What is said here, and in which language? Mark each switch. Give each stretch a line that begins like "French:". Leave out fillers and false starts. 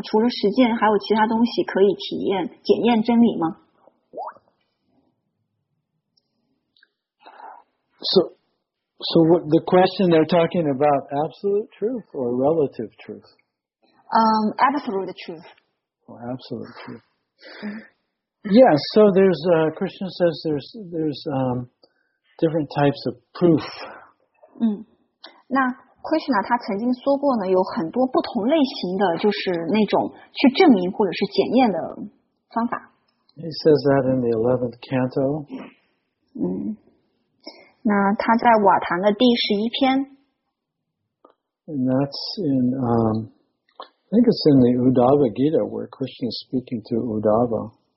Chinese: 除了实践，还有其他东西可以体验检验真理吗？
English: So what the question they're talking about, absolute truth or relative truth? Absolute truth. Well, absolute truth. Yeah, so there's, Krishna says there's different types of proof.
Chinese: 那 Krishna 他曾经说过呢，有很多不同类型的就是那种去证明或者是检验的方法。
English: He says that in the 11th canto.
Chinese: 那他在瓦坛的第十一篇。
English: And that's in, I think it's in the Uddhava Gita where Krishna is speaking to Uddhava.